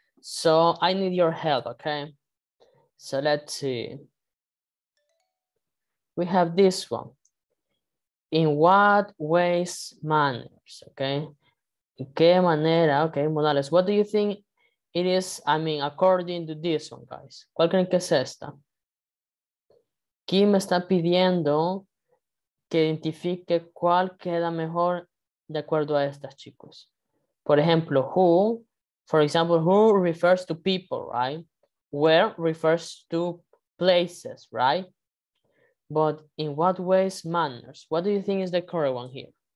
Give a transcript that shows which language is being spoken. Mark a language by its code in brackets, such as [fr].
[en] So I need your help, okay? So let's see. We have this one. In what ways, manners, okay? [es] ¿Qué manera? Okay, modales. [en] What do you think it is, I mean, according to this one, guys? [es] ¿Cuál creen que es esta? ¿Quién me está pidiendo que identifique cuál queda mejor de acuerdo a estas, chicos? Por ejemplo, [en] who, for example, who refers to people, right? Where refers to places, right? But in what ways, manners? What do you think is the correct one here?